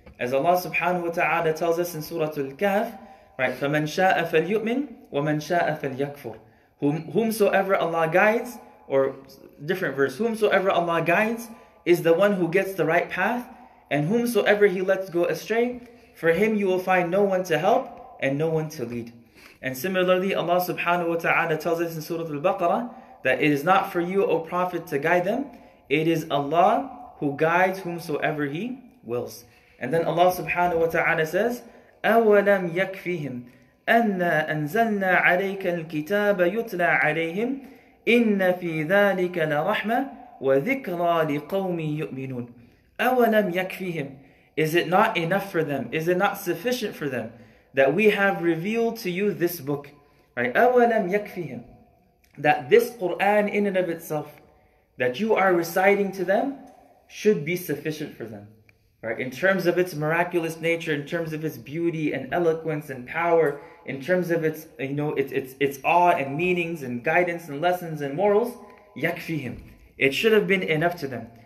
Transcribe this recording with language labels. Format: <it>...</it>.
<en>As Allah subhanahu wa ta'ala tells us in Surah Al-Kahf, right,</en> <ar>فَمَنْ شَاءَ فَلْيُؤْمِنْ وَمَنْ شَاءَ فَلْيَكْفُرْ</ar> <en>Whomsoever Allah guides, or different verse, whomsoever Allah guides is the one who gets the right path, and whomsoever He lets go astray, for him you will find no one to help and no one to lead. And similarly, Allah subhanahu wa ta'ala tells us in Surah Al-Baqarah that it is not for you, O Prophet, to guide them. It is Allah who guides whomsoever He wills. And then Allah subhanahu wa ta'ala says,</en> <ar>أَوَلَمْ يَكْفِهِمْ أَنَّا أَنزَلْنَا عَلَيْكَ الْكِتَابَ يُتْلَى عَلَيْهِمْ إِنَّ فِي ذَٰلِكَ لَرَحْمَةً وَذِكْرَى لِقَوْمٍ يُؤْمِنُونَ أَوَلَمْ يَكْفِهِمْ</ar> <en>Is it not enough for them? Is it not sufficient for them? That we have revealed to you this book. Right?</en> <ar>أَوَلَمْ يَكْفِهِمْ</ar> <en>That this Qur'an in and of itself, that you are reciting to them, should be sufficient for them. Right? In terms of its miraculous nature, in terms of its beauty and eloquence and power, in terms of its, you know, its awe and meanings and guidance and lessons and morals, يَكْفِهِمْ It should have been enough to them.</en>